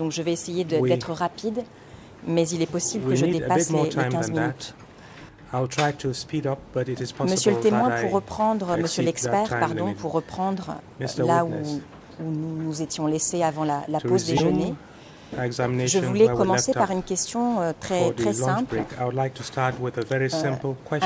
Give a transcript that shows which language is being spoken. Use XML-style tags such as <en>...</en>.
<fr>Donc je vais essayer d'être rapide, mais il est possible que je dépasse les 15 minutes.</fr> <en>I'll try to speed up, but it is possible</en> <fr>Monsieur le témoin, pour reprendre, Monsieur l'expert, pardon, pour reprendre là où nous nous étions laissés avant la pause déjeuner. Je voulais commencer par une question très simple.</fr> <en>Like to start with a very simple question.</en>